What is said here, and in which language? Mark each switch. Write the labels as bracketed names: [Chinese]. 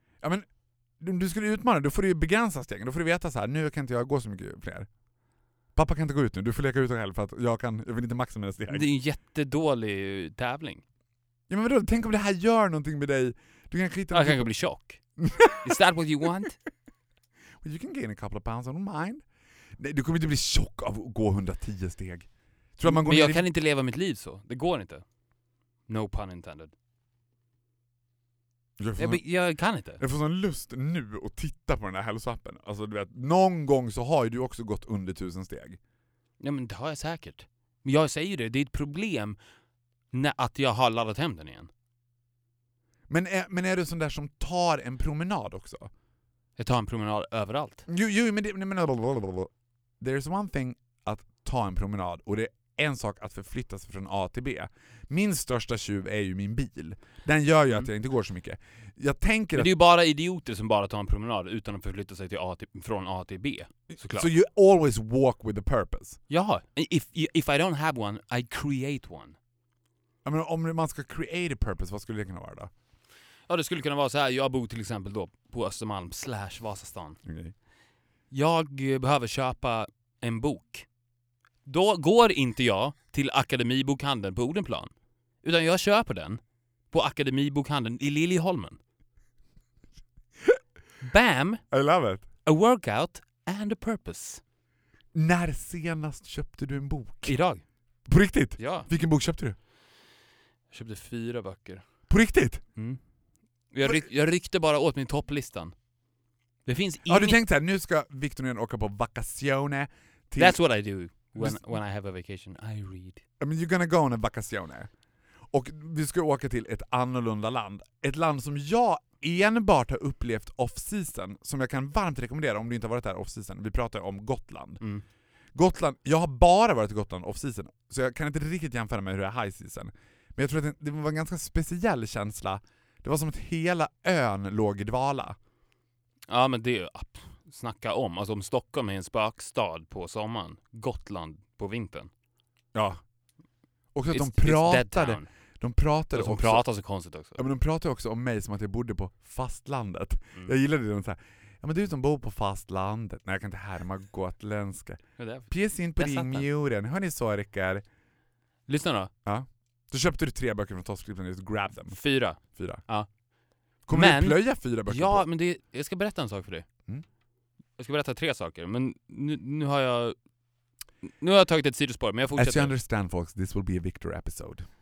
[Swedish] Ja, men du skulle utmana, då får du ju begränsa stegen. Då får du veta så här, nu kan inte jag gå så mycket fler. Pappa kan inte gå ut nu, du får leka ut själv för att jag vill inte maxa mina steg. Det är en jättedålig tävling. Ja, men vadå? Tänk om det här gör någonting med dig. Du kan skita. Jag kan bli tjock. [English] Is that what you want? Well, you can gain a couple of pounds, I don't mind. [Swedish] Nej, du kommer inte bli tjock av att gå 110 steg. Tror man går men jag kan inte leva mitt liv så. Det går inte. [English] No pun intended. [Swedish] Jag kan inte. Jag får sån lust nu att titta på den här hälsoappen. Alltså du vet, någon gång så har ju du också gått under 1000 steg. Ja, men det har jag säkert. Men jag säger det är ett problem att jag har laddat hem den igen. Men är du sån där som tar en promenad också? Jag tar en promenad överallt. Jo, men det men [English] there's one thing [Swedish] att ta en promenad och det är en sak att förflytta sig från A till B. Min största tjuv är ju min bil. Den gör ju att jag inte går så mycket. Jag tänker men det är ju bara idioter som bara tar en promenad utan att förflytta sig till från A till B. Såklart. [English] So you always walk with a purpose. Ja, if I don't have one, I create one. I mean, [Swedish] om man ska [English] create a purpose, [Swedish] vad skulle det kunna vara då? Ja, det skulle kunna vara så här. Jag bor till exempel då på Östermalm / Vasastan. Okay. Jag behöver köpa en bok. Då går inte jag till Akademibokhandeln på Odenplan. Utan jag köper den på Akademibokhandeln i Liljeholmen. Bam! [English] I love it. A workout and a purpose. [Swedish] När senast köpte du en bok? Idag. På riktigt? Ja. Vilken bok köpte du? Jag köpte 4 böcker. På riktigt? Mm. Jag ryckte bara åt min topplistan. Det finns har du tänkt så här, nu ska Victor igen åka på vacazione. [English] Till that's what I do. When I have a vacation, I read. I mean, you're gonna go on a vacazione. [Swedish] Och vi ska åka till ett annorlunda land. Ett land som jag enbart har upplevt off-season. Som jag kan varmt rekommendera om du inte har varit där off-season. Vi pratar om Gotland. Mm. Gotland, jag har bara varit i Gotland off-season. Så jag kan inte riktigt jämföra med hur det är high-season. Men jag tror att det var en ganska speciell känsla. Det var som att hela ön låg i dvala. Ja, men det är upp. Snacka om. Alltså om Stockholm är en spökstad på sommaren. Gotland på vintern. Ja. Och så att de pratade också. De pratar så konstigt också. Ja, men de pratade också om mig som att jag bodde på fastlandet. Mm. Jag gillade det. Så här, ja, men du som bor på fastlandet. Nej, jag kan inte härma gotländska. Pjäs in på din mjuren. Hör ni så, Rickard? Lyssna då. Ja. Då köpte du 3 böcker från Toskripten. [English] Grab them. [Swedish] 4. 4. Ja. Kommer men, du plöja 4 böcker ja, på? Men det, jag ska berätta en sak för dig. Jag ska berätta 3 saker, men nu har jag tagit ett sidospår, men jag fortsätter. [English] As you understand, folks, this will be a Victor episode.